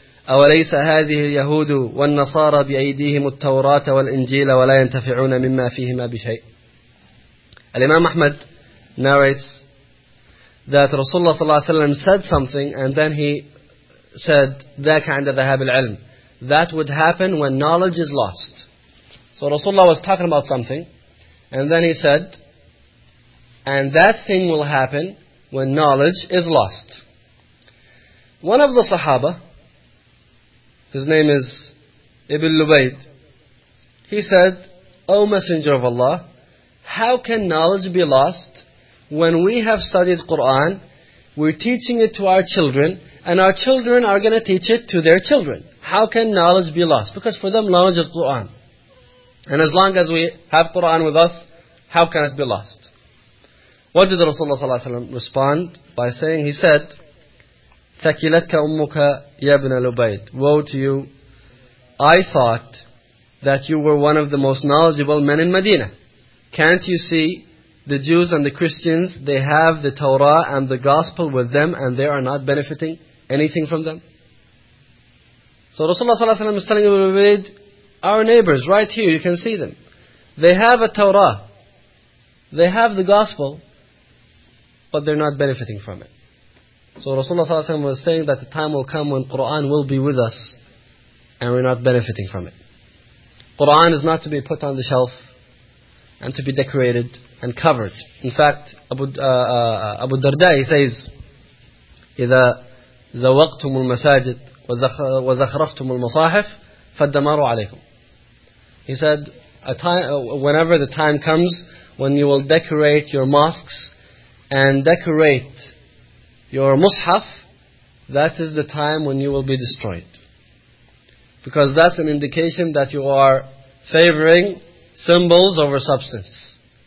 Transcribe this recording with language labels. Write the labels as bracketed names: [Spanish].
[Arabic] أوليس هذه اليهود والنصارى بأيديهم التوراة والإنجيل ولا ينتفعون مما فيهما بشيء. [English] الإمام أحمد narrates that Rasulullah صلى الله عليه وسلم said something and then he said [Arabic] ذاك عند ذهاب العلم. [English] That would happen when knowledge is lost. So Rasulullah was talking about something and then he said, and that thing will happen when knowledge is lost. One of the Sahaba, his name is Ibn Lubayd, he said, O Messenger of Allah, how can knowledge be lost when we have studied Qur'an, we're teaching it to our children, and our children are going to teach it to their children? How can knowledge be lost? Because for them, knowledge is Qur'an. And as long as we have Qur'an with us, how can it be lost? What did Rasulullah ﷺ respond by saying? He said, [Arabic] ثَكِلَتْكَ أُمُّكَ يَا بْنَ لُبَيْدِ. [English] Woe to you, I thought that you were one of the most knowledgeable men in Medina. Can't you see the Jews and the Christians, they have the Torah and the Gospel with them and they are not benefiting anything from them? So Rasulullah ﷺ is telling Ibn Lubayd, our neighbors right here, you can see them. They have a Torah, they have the Gospel, but they're not benefiting from it. So Rasulullah ﷺ was saying that the time will come when Qur'an will be with us, and we're not benefiting from it. Quran is not to be put on the shelf and to be decorated and covered. In fact, Abu Darda, he says, [Arabic] إِذَا زَوَقْتُمُ الْمَسَاجِدِ وَزَخْرَفْتُمُ الْمَصَاحِفِ فَالدَّمَارُ عَلَيْكُمْ. [English] He said, whenever the time comes when you will decorate your mosques and decorate your mushaf, that is the time when you will be destroyed. Because that's an indication that you are favoring symbols over substance.